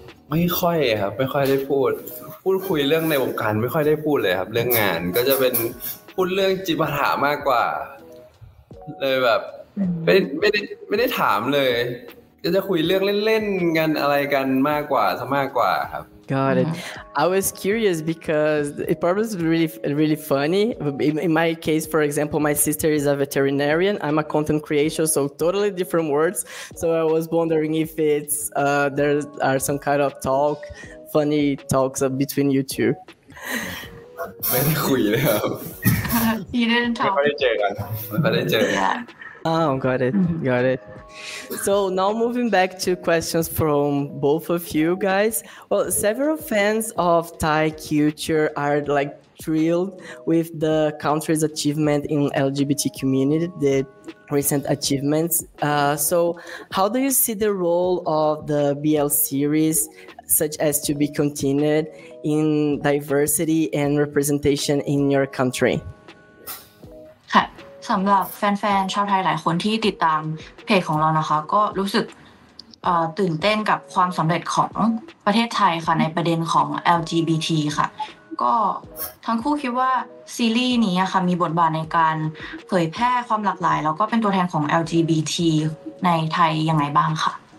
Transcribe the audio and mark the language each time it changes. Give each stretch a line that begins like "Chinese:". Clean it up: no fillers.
Thai: ไม่ค่อยครับไม่ค่อยได้พูดคุยเรื่องในวงการไม่ค่อยได้พูดเลยครับเรื่องงานก็จะเป็นพูดเรื่องจิตปัญหามากกว่าเลยแบบไม่ได้ถามเลยก็จะคุยเรื่องเล่นๆกันอะไรกันมากกว่าซะมากกว่าครับ
English: Got it. I was curious because it probably is really, really funny. In my case, for example, my sister is a veterinarian. I'm a content creator, so totally different worlds. So I was wondering if it's there are some kind of talk, funny talks between you two.
Thai: ไม่ได้คุยเลยครับ
English: You didn't talk.
Thai: ไม่ได้เจอกัน
English: Oh, got it. So now moving back to questions from both of you guys. Well, several fans of Thai culture are like thrilled with the country's achievement in LGBT community, the recent achievements. So how do you see the role of the BL series, such as to be continued, in diversity and representation in your country? Hi.
Thai: สำหรับแฟนๆชาวไทยหลายคนที่ติดตามเพจของเรานะคะก็รู้สึกตื่นเต้นกับความสำเร็จของประเทศไทยค่ะในประเด็นของ LGBT ค่ะก็ทั้งคู่คิดว่าซีรีส์นี้ค่ะมีบทบาทในการเผยแพร่ความหลากหลายแล้วก็เป็นตัวแทนของ LGBT ในไทยยังไงบ้างค่ะ